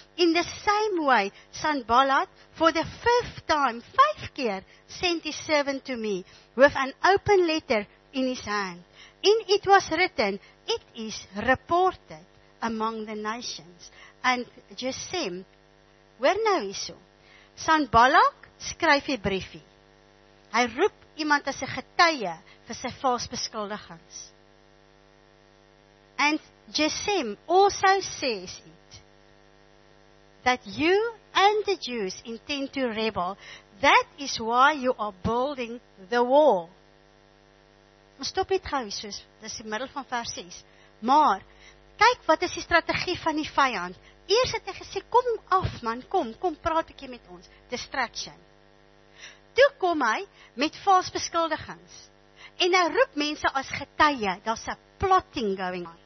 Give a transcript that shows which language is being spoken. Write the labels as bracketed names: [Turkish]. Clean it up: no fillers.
[English] In the same way, Sanballat, for the 5th time, [Afrikaans] 5 keer, [English] sent his servant to me with an open letter in his hand. In it was written, it is reported among the nations. And Gesem, where now is so? [Afrikaans] Sanballat skryf die briefie. Hy roep iemand as 'n getuie vir sy vals beskuldigings. [English] And Gesem also says it, that you and the Jews intend to rebel. That is why you are building the wall. [Afrikaans] Stop dit gou, soos, dis die middel van vers 6. Maar, kyk wat is die strategie van die vyand. Eers het hy gesê, kom af man, kom praat ek hier met ons. Distraction. Toe kom hy met vals beskuldigings. En hy roep mense as getuie, daar's 'n [English] plotting going on.